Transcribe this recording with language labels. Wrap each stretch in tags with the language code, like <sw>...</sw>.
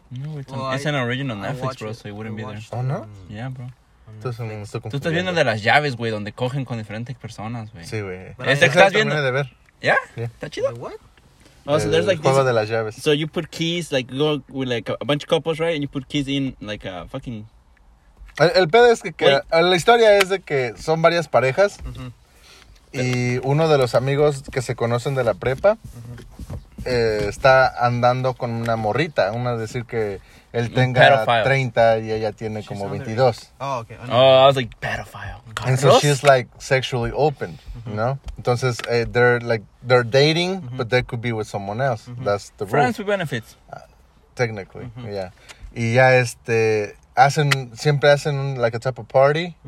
<en>No, it's an original Netflix, bro, so it wouldn't be there.</en> <es>Oh, ¿no?</es> <en>Yeah, bro.</en> <es>Entonces, tú estás viendo de las llaves, güey, donde cogen con diferentes personas, güey. Sí, güey. ¿Este que estás viendo? De ver. Yeah? ¿Está chido?</es> <en>What? Oh, so there's like this. Juego de las llaves. So you put keys, like, go with, like, a bunch of couples, right? And you put keys in, like, a fucking...</en> <es>El pedo es que la historia es de que son varias parejas. Uh-huh. Y uno de los amigos que se conocen de la prepa... Uh-huh. Está andando con una morrita. Una decir que él tenga 30 y ella tiene como 22.</es> <en>Oh, okay. Oh, I was like, pedophile. And so she's like sexually open, mm-hmm. You know? Entonces, they're dating, mm-hmm. But they could be with someone else. Mm-hmm. That's the rule. Friends with benefits. Technically, mm-hmm. Yeah.</en> <es>Y ya siempre hacen</es> <en>like a type of party, mm-hmm.</en>